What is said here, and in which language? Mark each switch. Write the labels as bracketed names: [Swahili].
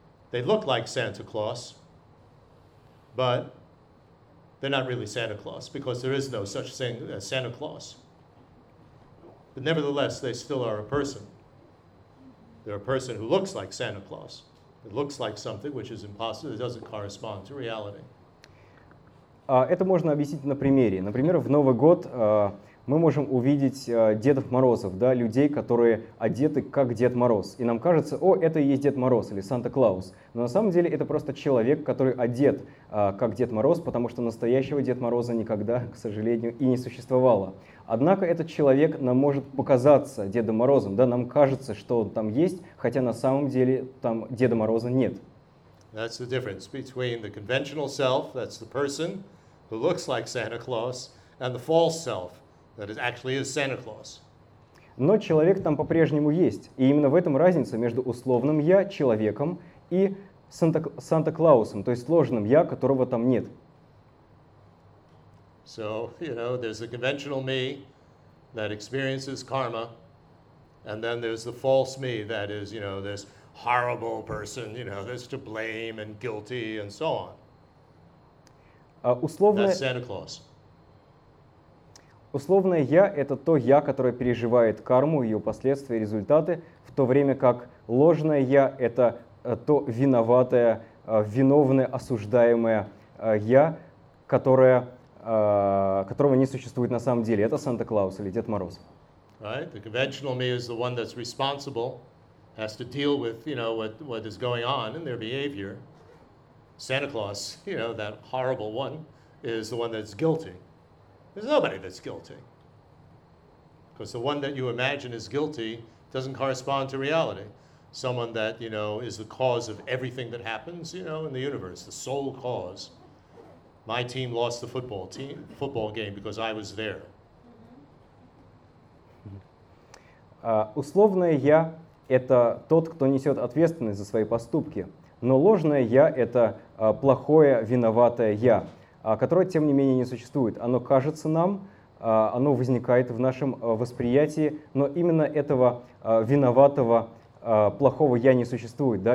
[English] They look like Santa Claus, but they're not really Santa Claus because there is no such thing as Santa Claus. But nevertheless, they still are a person. They're a person who looks like Santa Claus. It looks like something which is impossible. It doesn't correspond to reality. [Russian] Это можно объяснить на примере. Например, в Новый год мы можем увидеть Дедов Морозов, да, людей, которые одеты как Дед Мороз. И нам кажется, о, это и есть Дед Мороз или Санта-Клаус. Но на самом деле это просто человек, который одет как Дед Мороз, потому что настоящего Дед Мороза никогда, к сожалению, и не существовало. Однако этот человек нам может показаться Дедом Морозом, да, нам кажется, что он там есть, хотя на самом деле там Деда Мороза нет. [English] That's the difference between the conventional self, that's the person who looks like Santa Claus, and the false self, that it actually is Santa Claus. [Russian] Но человек там по-прежнему есть, и именно в этом разница между условным «я» человеком и Санта-Клаусом, то есть ложным «я», которого там нет. [English] So, you know, there's the conventional me that experiences karma, and then there's the false me that is, you know, this horrible person, you know, that's to blame and guilty and so on. That's Santa Claus. [Russian] Условное «я» — это то «я», которое переживает карму, ее последствия, результаты, в то время как ложное «я» — это то виноватое, виновное, осуждаемое «я», которое... которого не существует на самом деле. Это Санта-Клаус или Дед Мороз. [English] Right. The conventional me is the one that's responsible, has to deal with, you know, what is going on in their behavior. Santa Claus, you know, that horrible one, is the one that's guilty. There's nobody that's guilty. Because the one that you imagine is guilty doesn't correspond to reality. someone that, you know, is the cause of everything that happens, you know, in the universe, the sole cause. My team lost the football game because I was there. [Russian] Условное «я» — это тот, кто несет ответственность за свои поступки. Но ложное «я» — это плохое, виноватое «я», которое, тем не менее, не существует. Оно кажется нам, оно возникает в нашем восприятии, но именно этого виноватого, плохого «я» не существует. Да?